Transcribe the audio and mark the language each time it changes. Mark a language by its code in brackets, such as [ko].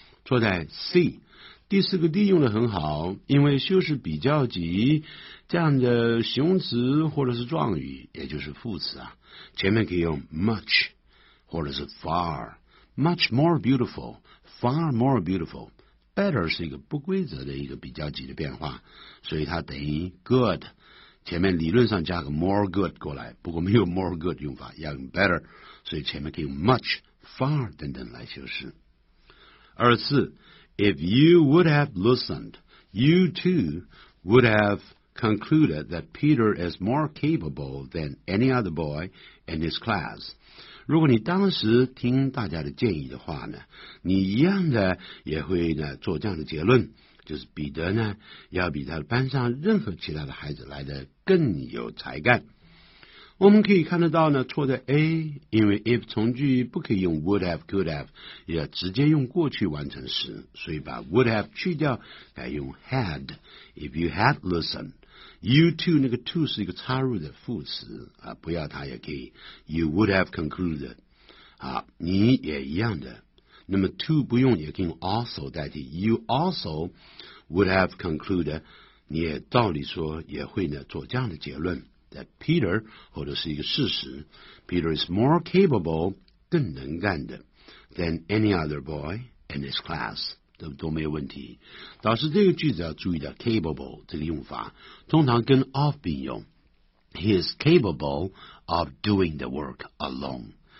[zh] 错在 C， 第四个 D 用得很好，因为修饰比较级这样的形容词或者是状语，也就是副词啊，前面可以用 much 或者是 far， [en] much more beautifulFar more beautiful， [zh] better 是一个不规则的一个比较级的变化，所以它等于 good， 前面理论上加个 [en] more good [zh] 过来，不过没有 more good 用法，要用 better， 所以前面可以用 much， far 等等来修饰。 [en] 24， If you would have listened， you too would have concluded that Peter is more capable than any other boy in his class。 [zh] 如果你当时听大家的建议的话呢，你一样的也会呢做这样的结论，就是彼得呢要比他班上任何其他的孩子来得更有才干。我们可以看得到呢错在 A， 因为 if 从句不可以用 [en] would have could have， [zh] 也直接用过去完成时，所以把 would have 去掉改用 had。 [en] If you had listenedYou too， [zh] 那个 too 是一个插入的副词啊，不要它也可以。 [en] You would have concluded， [zh] 好，你也一样的。那么 too 不用，也可以用 also 代替。 [en] You also would have concluded， [zh] 你也照理说也会呢做这样的结论 that Peter 或者是一个事实 [en] Peter is more capable [zh] 更能干的 [en] than any other boy in his class [zh] 都没有问题。导师这个句子要注意的 capable 这个用法通常跟 of 并用 [en] He is capable of doing the work alone